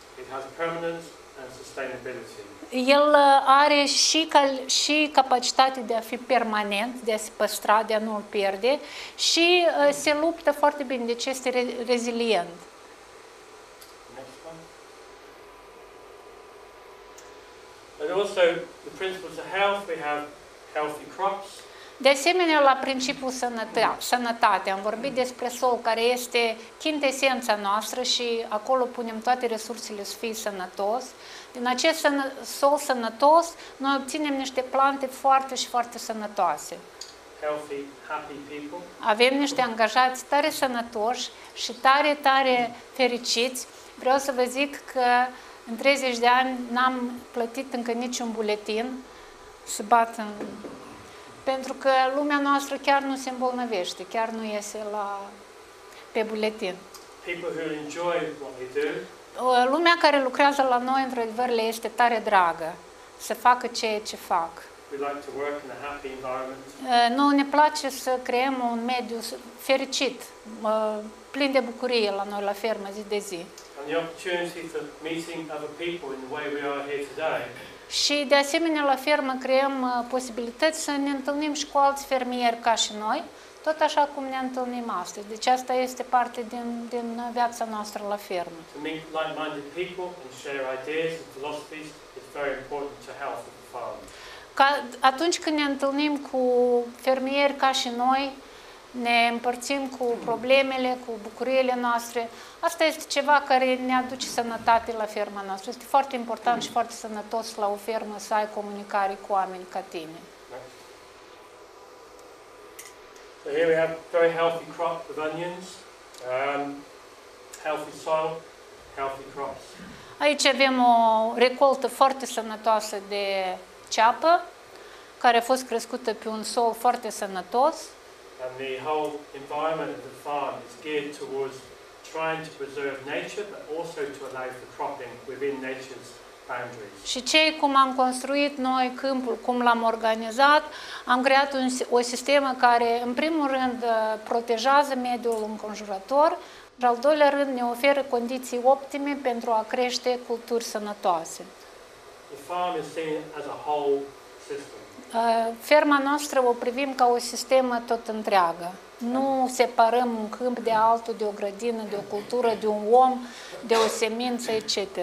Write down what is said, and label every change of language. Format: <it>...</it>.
<en>It has permanence and sustainability.</en> <ro>El are și capacitatea de a fi permanent, de a se păstra, de a nu îl pierde și se luptă foarte bine, deci este rezilient.</ro> <en>And also the principles of health, we have healthy crops.</en> <ro>De asemenea, la principiul sănătate, am vorbit despre sol, care este chintesența noastră și acolo punem toate resursele să fie sănătos. Din acest sol sănătos, noi obținem niște plante foarte și foarte sănătoase.</ro> <en>Healthy, happy people.</en> <ro>Avem niște angajați tare sănătoși și tare, tare fericiți. Vreau să vă zic că în 30 de ani n-am plătit încă niciun buletin să bat în... Pentru că lumea noastră chiar nu se îmbolnăvește, chiar nu iese pe buletin.</ro> <en>People who enjoy what they do.</en> <ro>Lumea care lucrează la noi, într-adevăr, le este tare dragă să facă ceea ce fac.</ro> <en>We like to work in a happy environment.</en> <ro>Noi ne place să creăm un mediu fericit, plin de bucurie la noi, la fermă, zi de zi.</ro> <en>And the opportunity for meeting other people in the way we are here today.</en> <ro>Și de asemenea la fermă creăm posibilități să ne întâlnim și cu alți fermieri ca și noi, tot așa cum ne întâlnim astăzi. Deci asta este parte din viața noastră la fermă.</ro> <en>To meet like-minded people and share ideas and philosophies is very important to health of the farm.</en> <ro>Ca atunci când ne întâlnim cu fermieri ca și noi, ne împărțim cu problemele, cu bucuriile noastre. Asta este ceva care ne aduce sănătate la ferma noastră. Este foarte important și foarte sănătos la o fermă să ai comunicare cu oameni ca tine.</ro> <en>So here we have very healthy crop of onions, healthy soil, healthy crops.</en> <ro>Aici avem o recoltă foarte sănătoasă de ceapă, care a fost crescută pe un sol foarte sănătos.</ro> <en>And the whole environment of the farm is geared towards trying to preserve nature, but also to allow for cropping within nature's boundaries.</en> <ro>Și cei cum am construit noi câmpul, cum l-am organizat, am creat o sistemă care, în primul rând, protejează mediul înconjurător, și al doilea rând ne oferă condiții optime pentru a crește culturi sănătoase.</ro> <en>The farm is seen as a whole system.</en> <ro>Ferma noastră o privim ca o sistemă tot întreagă. Nu separăm un câmp de altul, de o grădină, de o cultură, de un om, de o semință, etc.</ro>